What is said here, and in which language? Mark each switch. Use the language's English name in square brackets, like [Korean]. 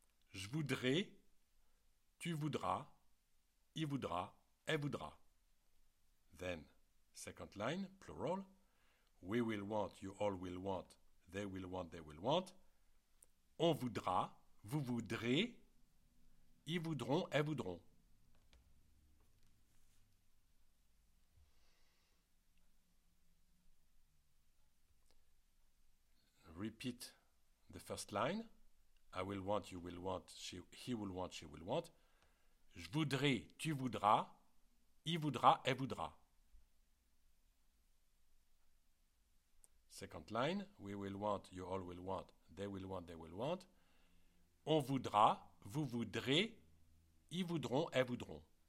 [French] Je voudrai, tu voudras, il voudra, elle voudra. [English] Then, second line, plural. We will want, you all will want, they will want, they will want. [French] On voudra, vous voudrez, ils voudront, elles voudront. [English] Repeat. The first line, I will want, you will want, she, he will want, she will want. [French] Je voudrais, tu voudras, il voudra, elle voudra. [English] Second line, we will want, you all will want, they will want, they will want. [French] On voudra, vous voudrez, ils voudront, elles voudront.